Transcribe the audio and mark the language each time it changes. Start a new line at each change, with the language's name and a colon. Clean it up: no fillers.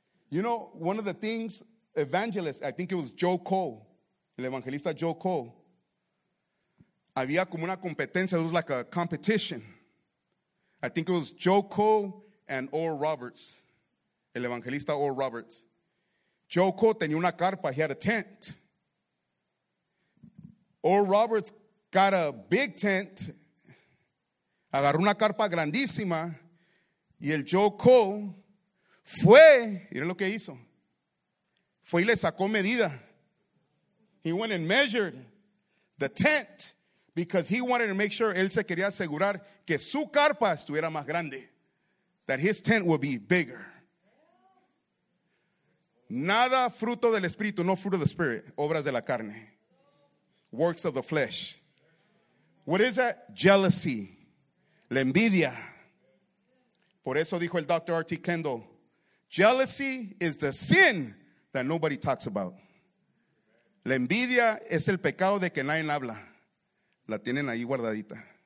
English: You know, one of the things evangelists, I think it was Joe Cole, el evangelista Joe Cole,
Spanish: había como una competencia,
English: it was like a competition. I think it was Joe Cole and Oral Roberts, el evangelista Oral Roberts.
Spanish: Joe Cole tenía una carpa,
English: he had a tent.
Spanish: Oral Roberts
English: got a big tent,
Spanish: agarró una carpa grandísima, y el Joe Cole fue, miren lo que hizo, fue y le sacó medida.
English: He went and measured the tent because he wanted to make sure,
Spanish: él se quería asegurar que su carpa estuviera más grande,
English: that his tent would be bigger.
Spanish: Nada fruto del espíritu,
English: no fruit of the spirit,
Spanish: obras de la carne,
English: works of the flesh. What is that?
Spanish: Jealousy, la envidia. Por eso dijo el Dr. R.T.
English: Kendall, jealousy is the sin that nobody talks about.
Spanish: La envidia es el pecado de que nadie habla. La tienen ahí guardadita.